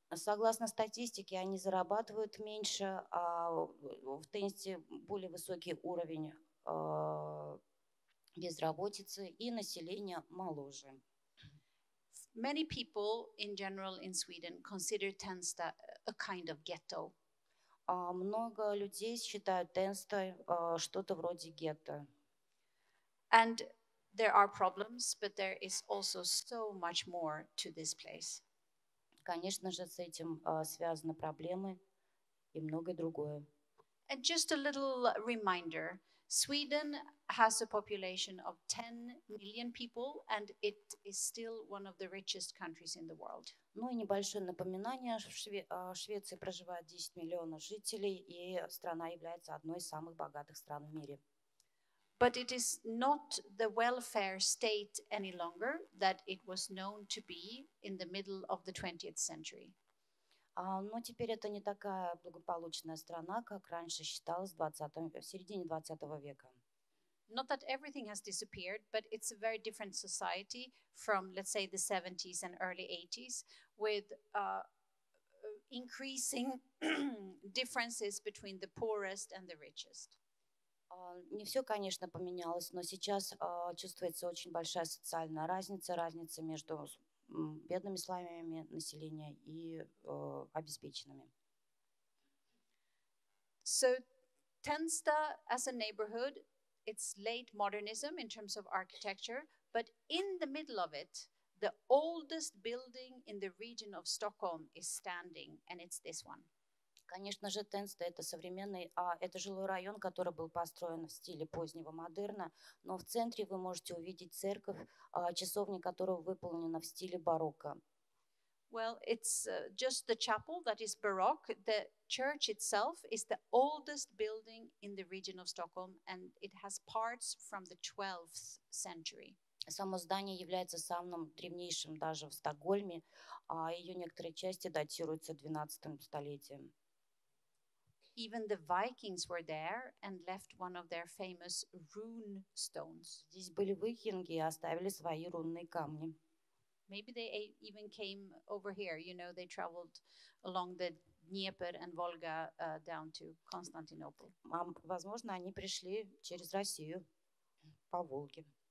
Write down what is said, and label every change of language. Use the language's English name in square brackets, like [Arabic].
[Russian] Согласно статистике, они зарабатывают меньше, а в Тенсте более высокий уровень безработицы и население моложе. [English] Many people in general in Sweden consider Tensta a kind of ghetto. [Russian] Много людей считают Тенста что-то вроде гетто. [English] And there are problems, but there is also so much more to this place. [Russian] Конечно же, с этим связаны проблемы и многое другое. [English] And just a little reminder. Sweden has a population of 10 million people, and it is still one of the richest countries in the world. [Russian] Ну и небольшое напоминание, в Швеции проживает 10 миллионов жителей, и страна является одной из самых богатых стран в мире. [English] But it is not the welfare state any longer that it was known to be in the middle of the 20th century. [Russian] Но теперь это не такая благополучная страна, как раньше считалось в середине 20 века. [English] Not that everything has disappeared, but it's a very different society from, let's say, the 70s and early 80s, with increasing differences between the poorest and the richest. [Russian] Не все, конечно, поменялось, но сейчас чувствуется очень большая социальная разница, разница между бедными слоями населения и обеспеченными. [English] So, Tensta as a neighborhood, it's late modernism in terms of architecture, but in the middle of it, the oldest building in the region of Stockholm is standing, and it's this one. [Russian] Конечно же, Тенста — это современный, это жилой район, который был построен в стиле позднего модерна, но в центре вы можете увидеть церковь, часовня которого выполнена в стиле барокко. [English] Well, it's just the chapel that is baroque. The church itself is the oldest building in the region of Stockholm, and it has parts from the 12th century. [Russian] Само здание является самым древнейшим даже в Стокгольме, а ее некоторые части датируются 12-м столетием. [English] Even the Vikings were there and left one of their famous rune stones. [Russian] Здесь были викинги и оставили свои рунные камни. [English] Maybe they even came over here. You know, they traveled along the Dnieper and Volga down to Constantinople. [Russian] Возможно, они пришли через Россию по Волге.